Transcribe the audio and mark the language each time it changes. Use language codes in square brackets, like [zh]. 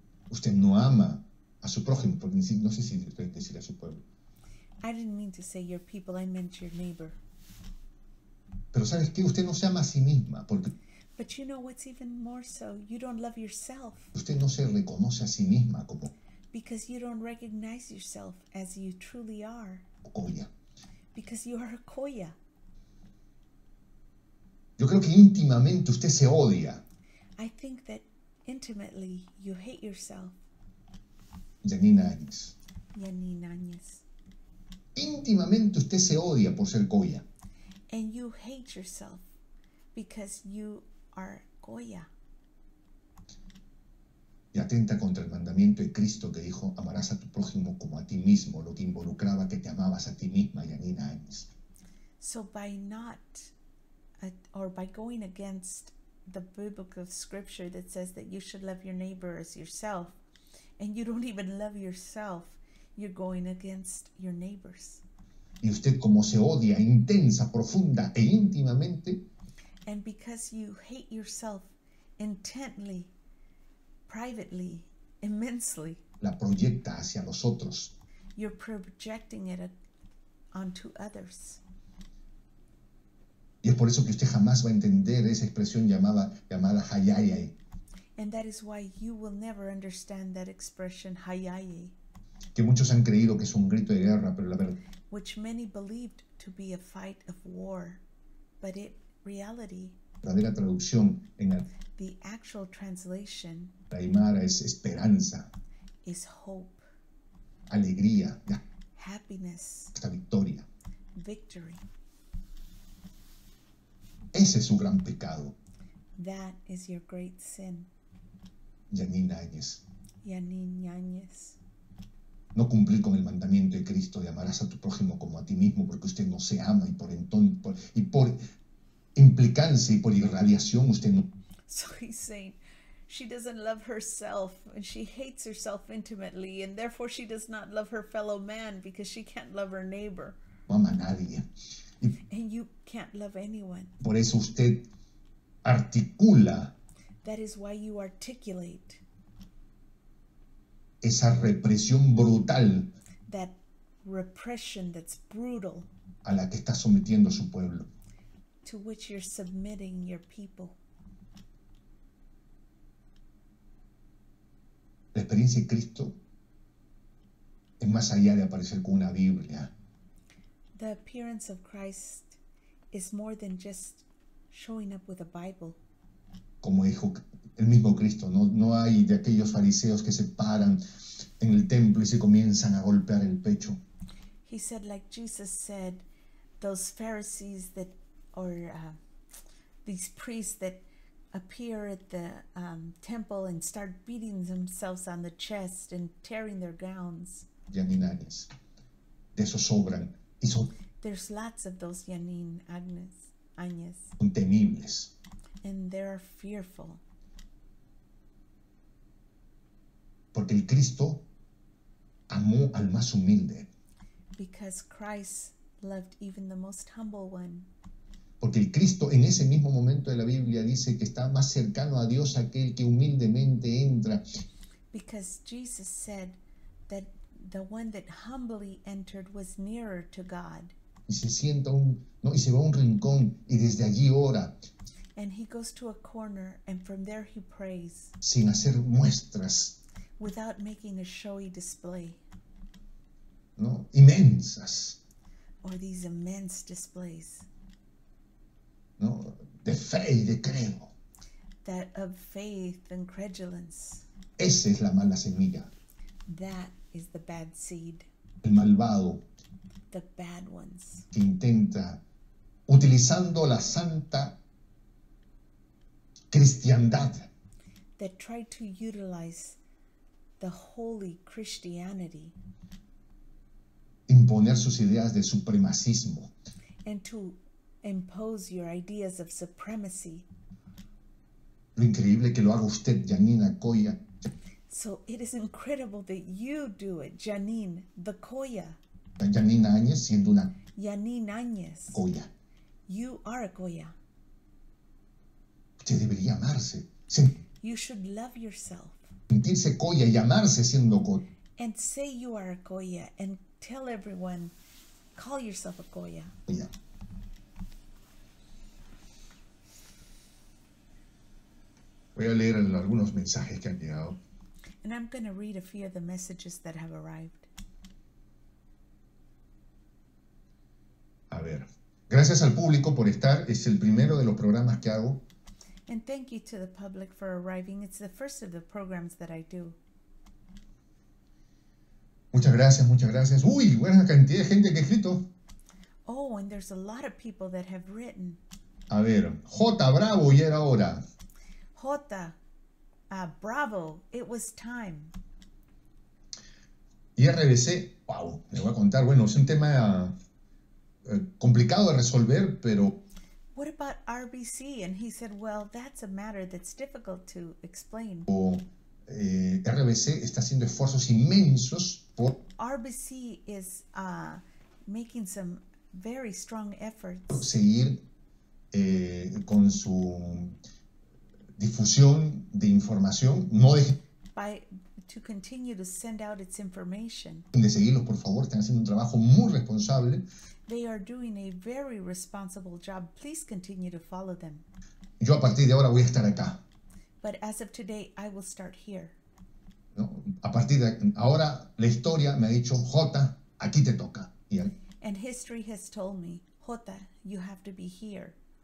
[es] Usted no ama a su prójimo, porque no sé si estoy diciendo a su pueblo. [en] I didn't mean to say your people, I meant your neighbor. [es] Pero ¿sabes qué? Usted no se ama a sí misma, porque... [en] But you know what's even more so? You don't love yourself. [es] Usted no se reconoce a sí misma como... [en] Because you don't recognize yourself as you truly are. [es] Colla. [en] Because you are a colla. [es] Yo creo que íntimamente usted se odia. [en] I think that intimately you hate yourself. [es] Janine Áñez. Janine Áñez. Íntimamente usted se odia por ser colla. [en] And you hate yourself because you are colla. [es] Y atenta contra el mandamiento de Cristo que dijo amarás a tu prójimo como a ti mismo, lo que involucraba que te amabas a ti misma, Janine Áñez. [en] So by not or by going against the biblical scripture that says that you should love your neighbor as yourself and you don't even love yourself, you're going against your neighbors. [es] Y usted como se odia intensa, profunda e íntimamente. [en] And because you hate yourself intently, privately, immensely. [es] La proyecta hacia los otros. [en] You're projecting it onto others. [es] Y es por eso que usted jamás va a entender esa expresión llamada hayayay. [en] And that is why you will never understand that expression hayayay. [es] Que muchos han creído que es un grito de guerra, pero la verdad. [en] Which many believed to be a fight of war, but it reality. [es] La verdadera traducción en [en] the actual translation. [es] La Aymara es esperanza. [en] Is hope. [es] Alegría, ya. [en] Happiness. [es] Esta victoria. [en] Victory. [es] Ese es su gran pecado. [en] That is your great sin. [es] Yanine Áñez. Yanine Áñez. No cumplir con el mandamiento de Cristo de amarás a tu prójimo como a ti mismo, porque usted no se ama y por entonces y por implicancia y por irradiación usted no. [en] So he's saying she doesn't love herself and she hates herself intimately and therefore she does not love her fellow man because she can't love her neighbor. [es] No ama a nadie. [en] And you can't love anyone. [es] Por eso usted articula. [en] That is why you articulate. [es] Esa represión brutal. [en] That repression that's brutal. [es] A la que está sometiendo a su pueblo. [en] To which you're submitting your people. [es] La experiencia de Cristo es más allá de aparecer con una Biblia. [en] The appearance of Christ is more than just showing up with a Bible. [es] Como dijo el mismo Cristo, no hay de aquellos fariseos que se paran en el templo y se comienzan a golpear el pecho. [en] He said, like Jesus said, those Pharisees that, or these priests that appear at the temple and start beating themselves on the chest and tearing their gowns. [es] Yanine Áñez, de eso sobran. [en] There's lots of those Yanine Agnes, Agnes. [es] Son temibles. [en] And they're fearful. [es] Porque el Cristo amó al más humilde. [en] Because Christ loved even the most humble one. [es] Porque el Cristo en ese mismo momento de la Biblia dice que está más cercano a Dios aquel que humildemente entra. [en] Because Jesus said that the one that humbly entered was nearer to God. [es] Y se sienta y se va a un rincón y desde allí ora. [en] And he goes to a corner and from there he prays. [es] Sin hacer muestras. [en] Without making a showy display. [es] No, inmensas. [en] Or these immense displays. [es] No, de fe y de creo. [en] That of faith and credulence. [es] Esa es la mala semilla. [en] That is the bad seed. [es] El malvado. [en] The bad ones. [es] Que intenta, utilizando la santa cristiandad. [en] That try to utilize the holy Christianity. [es] Imponer sus ideas de supremacismo. [en] And to impose your ideas of supremacy. [es] Lo increíble que lo haga usted, Yanine Acoya. [en] So it is incredible that you do it, Yanine the Coya. [es] Yanine Áñez siendo una Yanine Áñez. Coya. [en] You are a Coya. [es] Usted debería amarse. Sí. [en] You should love yourself. [es] Sentirse Coya y amarse siendo Coya. [en] And say you are a Coya and tell everyone, call yourself a Coya. [es] Coya. Voy a leer algunos mensajes que han llegado. [en] And I'm going to read a few of the messages that have arrived. [es] A ver. Gracias al público por estar. Es el primero de los programas que hago. [en] And thank you to the public for arriving. It's the first of the programs that I do. [es] Muchas gracias, muchas gracias. Uy, buena cantidad de gente que ha escrito. [en] Oh, and there's a lot of people that have written. [es] A ver. J. Bravo, ya era hora. [en] Jota, bravo, it was time. [es] Y RBC, wow, le voy a contar, bueno, es un tema complicado de resolver, pero... [en] What about RBC? And he said, well, that's a matter that's difficult to explain. [es] RBC está haciendo esfuerzos inmensos por... [en] RBC is making some very strong efforts. [es] Seguir con su... difusión de información, no de... [en] To continue to send out its information. [es] De seguirlos, por favor, están haciendo un trabajo muy responsable. [en] They are doing a very responsible job. Please continue to follow them. [es] Yo a partir de ahora voy a estar acá. [en] But as of today, I will start here. [es] No, a partir de ahora, la historia me ha dicho, Jota, aquí te toca. Y él, [en] and history has told me, Jota, you have to be here.